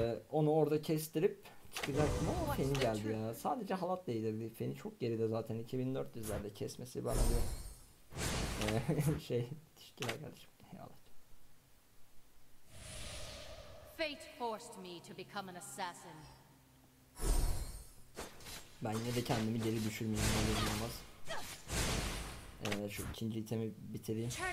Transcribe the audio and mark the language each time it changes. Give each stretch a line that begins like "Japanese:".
Turkish: Onu orada kestirip çıkacaktım ama Feni geldi ya. Sadece halat değdirdi. Feni çok geride zaten. 2400'lerde kesmesi bana bir şey. Teşekkürler kardeşim. Eyvallah.
English: Fate forced me to become an assassin.
Turkish: Ben yine de kendimi geri düşürmeyeyim, ne olmaz. Şu ikinci itemi bitireyim.